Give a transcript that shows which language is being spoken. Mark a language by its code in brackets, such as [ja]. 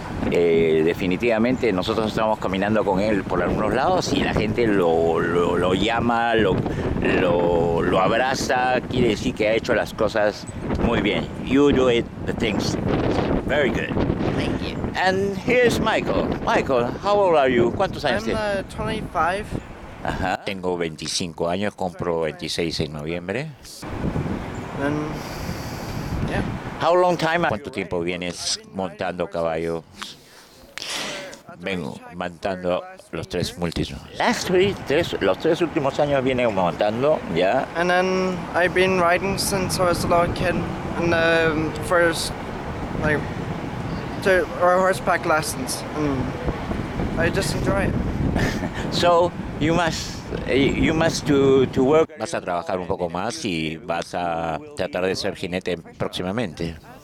[es] Definitivamente nosotros estamos caminando con él por algunos lados y la gente lo llama, lo abraza, quiere decir que ha hecho las cosas muy bien. [en] You do it the things very good. Thank you. And here's Michael. Michael, how old are you? [es] ¿Cuántos años tienes? [en] I'm 25. Ajá. [es] Tengo 25 años, compro 26 en noviembre. [en] How long time? [es] ¿Cuánto tiempo vienes montando caballo? Vengo montando los tres multisnos. Los tres últimos años viene montando, ya. [en] Yeah. And then I've been riding since I was a little kid, and the first like our horseback lessons, and I just enjoy it. So you must to work. [es] Vas a trabajar un poco más y vas a tratar de ser jinete próximamente.